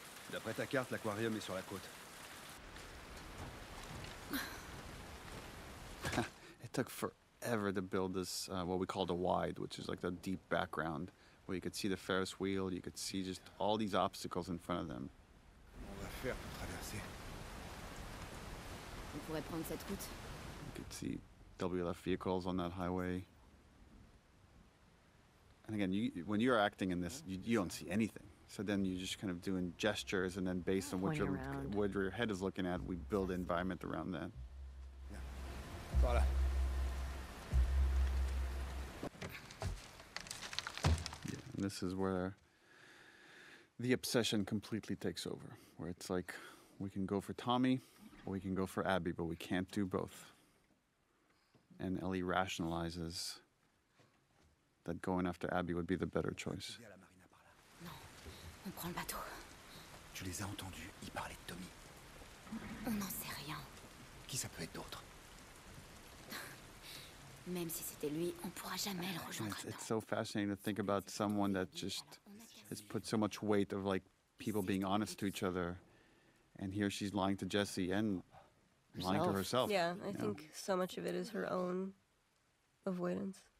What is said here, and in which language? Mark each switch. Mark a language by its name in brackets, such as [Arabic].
[French] D'après ta carte, l'aquarium est sur la côte. [English] It took forever to build this, what we call the wide, which is like the deep background, where you could see the Ferris wheel, you could see just all these obstacles in front of them. [French] On va faire pour traverser. On pourrait prendre cette route. [English] You could see WLF vehicles on that highway. And again, you, when you're acting in this, you don't see anything. So then you're just kind of doing gestures, and then based on what your head is looking at, we build the environment around that. Yeah. Voilà. Yeah, and this is where the obsession completely takes over, where it's like, we can go for Tommy, or we can go for Abby, but we can't do both. And Ellie rationalizes that going after Abby would be the better choice. [French] On prend le bateau. Tu les as entendus, ils parlaient de Tommy. On n'en sait rien. Qui ça peut être d'autre? Même si c'était lui, on pourra jamais le rejoindre. [English] It's so fascinating to think about someone that just has put so much weight of like people being honest to each other, and here she's lying to Jesse and lying to herself. Yeah, I think so much of it is her own avoidance.